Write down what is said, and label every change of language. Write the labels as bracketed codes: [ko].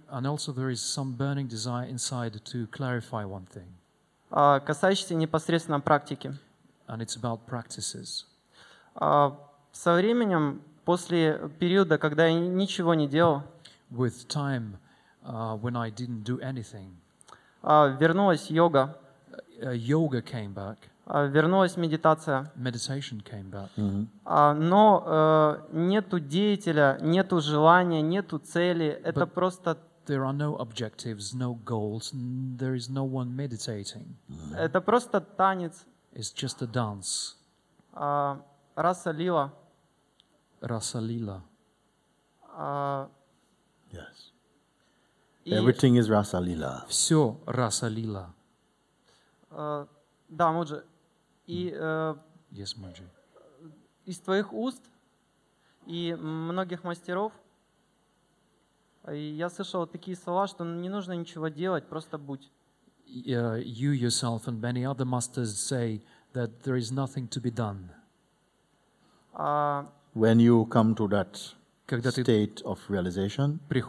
[en] And also there is some burning desire inside to clarify one thing. [ru] Касающийся непосредственно практики. [en] And it's about practices. [ru] Со временем, после периода, когда я ничего не делал, [en] with time, when I didn't do anything, [ru] вернулась йога. [en] Yoga came back. [ru] Вернулась медитация. [en] Meditation came back. Mm-hmm. [ru] Но нету деятеля, нету желания, нету цели. Это But просто... [en] There are no objectives, no goals, there is no one meditating. [ru] Mm-hmm. Это просто танец. [en] It's just a dance. [ru] Раса-лила. Раса-лила. [en] Yes. Everything is Раса-лила. [ru] Все Раса-лила. Да, Муджи. И [en] yes, Муджи. [ru] Из твоих уст и многих мастеров я слышал такие слова, что не нужно ничего делать, просто будь. [en] You yourself and many other masters say that there is nothing to be done. When you come to that state of realization,